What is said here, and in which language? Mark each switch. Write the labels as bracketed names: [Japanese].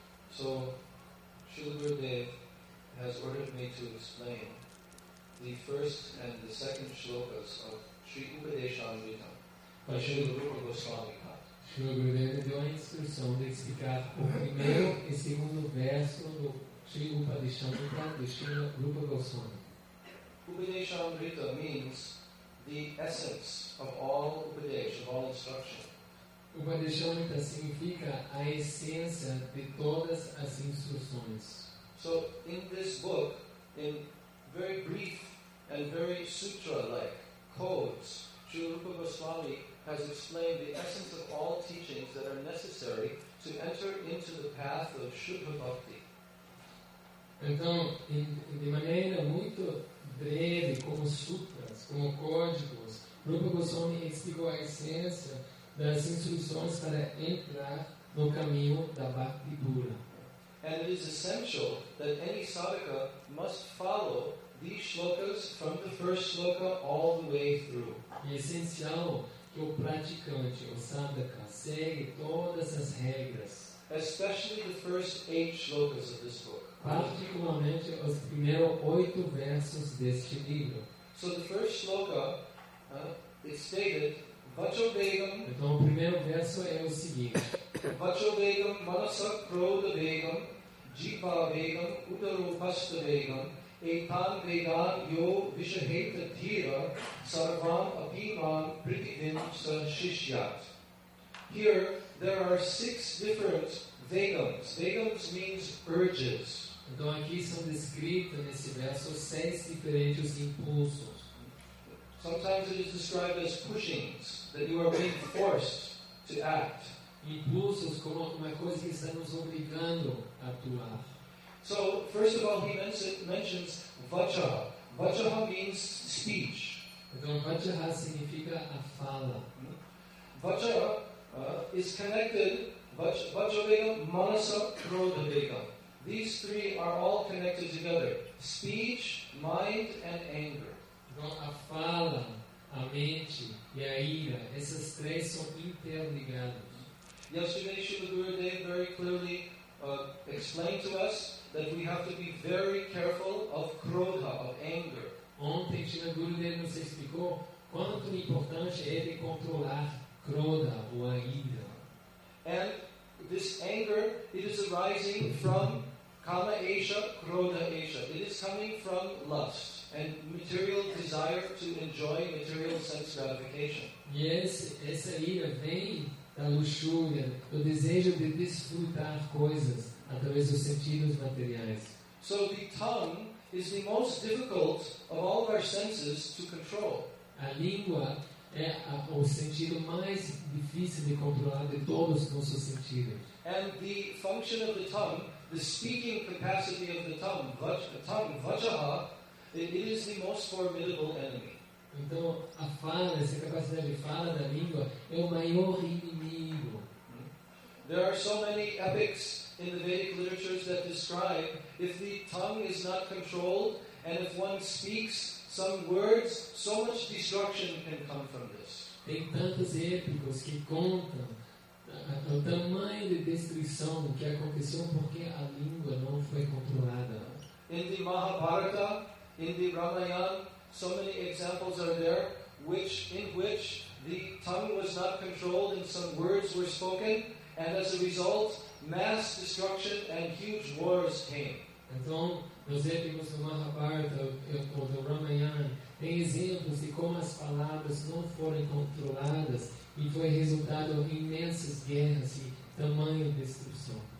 [English] So, Srila Gurudev has ordered me to explain the first and the second shlokas of Sri Upadeshamrita by Srila Rupa Goswami. [Portuguese] Srila Gurudev deu a instrução de explicar o primeiro e segundo verso do Sri Upadeshamrita de Srila Rupa Goswami. [English] Upadeshamrita means the essence of all upadesha, of all instruction. [Portuguese] Upadeshamrita significa a essência de todas as instruções. [English] So in this book, in very brief and very sutra-like codes, Srila Rupa Goswami has explained the essence of all teachings that are necessary to enter into the path of Shuddha Bhakti. [Portuguese] Então, de maneira muito breve, como sutras, como códigos, Rupa Goswami explicou a essência das instruções para entrar no caminho da Bhakti Pura. [English] And it is essential that any sadhaka must follow these shlokas from the first shloka all the way through. [Portuguese] É essencial que o praticante, o sadhaka, segue todas as regras. [English] Especially the first eight shlokas of this book. [Portuguese] Particularmente os primeiros oito versos deste livro. [English] So the first shloka is stated, Vachovegam. [Portuguese] Então o primeiro verso é o seguinte. [Sanskrit] Vachovegam, manasak krodavegam, jipavegam, utarupastavegam, etan vegan yo vishaheta dhira, sarvam apivam pritidin sa shishyat. [English] Here, there are six different vegams. Vegams means urges. [Portuguese] Então aqui são descritos nesse verso seis diferentes impulsos. [English] Sometimes it is described as pushings, that you are being forced to act. [Portuguese] Impulsos como uma coisa que está nos obrigando a atuar. [English] So, first of all, he mentions vacha. Vacha means speech. [Portuguese] Então, vacha significa a fala. [English] Vacha is connected, vacha-vega, manasa, krodha-vega. These three are all connected together. Speech, mind, and anger. [Portuguese] Então, a fala, a mente e a ira, essas três são interligadas. [English] Yesterday, Srila Gurudev very clearly explained to us that we have to be very careful of krodha, of anger. [Portuguese] Ontem, Srila Gurudev nos explicou quanto importante é de controlar krodha, ou a ira. [English] And this anger, it is arising from [Sanskrit] kama esha, krodha esha. [English] It is coming from lust and material desire to enjoy material sense gratification. [Portuguese] Yes, essa ira vem da luxúria, do desejo de desfrutar coisas através dos sentidos materiais. [English] So the tongue is the most difficult of all our senses to control. [Portuguese] A língua é o sentido mais difícil de controlar de todos os nossos sentidos. [English] And the function of the tongue, the speaking capacity of the tongue, vajaha, it is the most formidable enemy. [Portuguese] Então, a fala, essa capacidade de fala da língua, é o maior inimigo. [English] There are so many epics in the Vedic literatures that describe if the tongue is not controlled and if one speaks some words, so much destruction can come from this. [Portuguese] Tem tantos épicos que contam o tamanho de destruição que aconteceu porque a língua não foi controlada. [English] In the Mahabharata, in the Ramayana, so many examples are there in which the tongue was not controlled and some words were spoken, and as a result, mass destruction and huge wars came. [Portuguese] Então, nos épicos do Mahabharata ou do Ramayana, tem exemplos de como as palavras não foram controladas e foi resultado em imensas guerras e tamanha destruição.